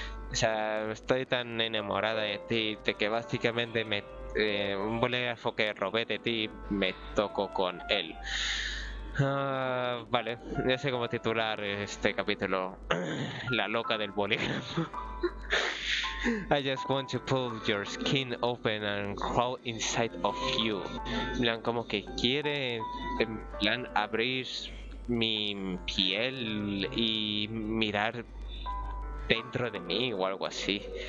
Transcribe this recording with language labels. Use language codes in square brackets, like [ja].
[es] O sea, estoy tan enamorada de ti, de que básicamente me un bolígrafo que robé de ti, me toco con él. Vale, ya sé cómo titular este capítulo. La loca del bolígrafo. [en] I just want to pull your skin open and crawl inside of you. [es] En plan, como que quiere, en plan, abrir mi piel y mirar dentro de mí o algo así.